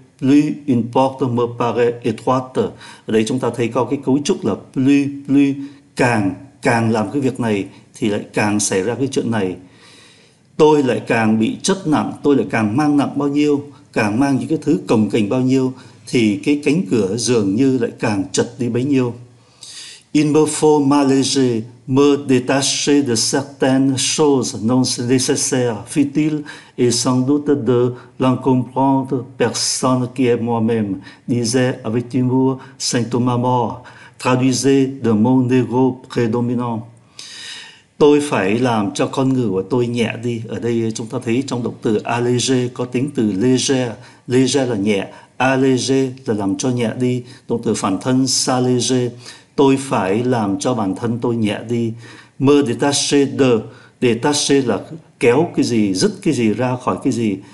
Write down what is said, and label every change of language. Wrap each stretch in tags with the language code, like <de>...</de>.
<fr>plus une porte me paraît étroite.</fr> <vi>Ở đây chúng ta thấy có cái cấu trúc là plus, plus, càng, càng làm cái việc này thì lại càng xảy ra cái chuyện này. Tôi lại càng bị chất nặng, tôi lại càng mang nặng bao nhiêu, càng mang những cái thứ cồng kềnh bao nhiêu, thì cái cánh cửa dường như lại càng chật đi bấy nhiêu.</vi> <fr>Il me faut m'alléger, me détacher de certaines choses non nécessaires, futiles, et sans doute de l'encombrante personne qui est moi-même, disait avec humour Saint Thomas More, traduisait de mon ego prédominant.</fr> <vi>Tôi phải làm cho con người của tôi nhẹ đi. Ở đây chúng ta thấy trong động từ alléger có tính từ léger. Léger là nhẹ, alléger là làm cho nhẹ đi. Động từ phản thân s'alléger, tôi phải làm cho bản thân tôi nhẹ đi. Me détacher de, détacher là kéo cái gì, dứt cái gì ra khỏi cái gì.</vi>